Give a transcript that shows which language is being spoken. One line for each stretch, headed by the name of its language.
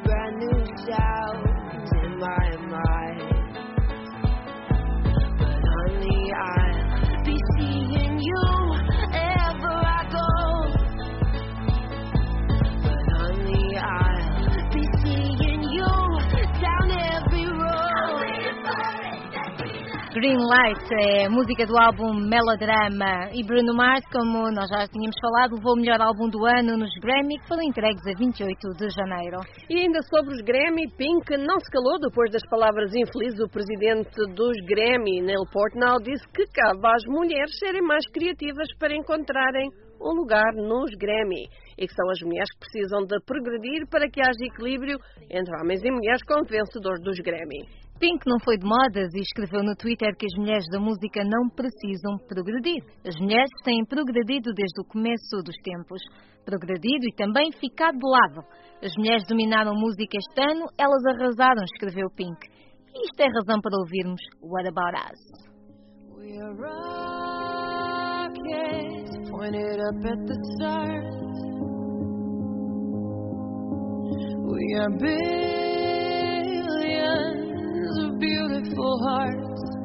English: New sounds in my mind, but only I'll be seeing you ever I go. But only I'll be seeing you down every road.
Portuguese: Green Light é a música do álbum Melodrama e Bruno Mars, como nós já tínhamos falado, levou o melhor álbum do ano nos Grammy, que foram entregues a 28 de janeiro. E ainda sobre os Grammy, Pink não se calou depois das palavras infelizes. O presidente dos Grammy, Neil Portnow, disse que cabe às mulheres serem mais criativas para encontrarem um lugar nos Grammy. E que são as mulheres que precisam de progredir para que haja equilíbrio entre homens e mulheres como vencedores dos Grammy. Pink não foi de modas e escreveu no Twitter que as mulheres da música não precisam progredir. As mulheres têm progredido desde o começo dos tempos. Progredido e também ficado de lado. As mulheres dominaram música este ano, elas arrasaram, escreveu Pink. E isto é razão para ouvirmos What About Us.
English: We are rockets pointed up at the stars. We are billions of beautiful hearts.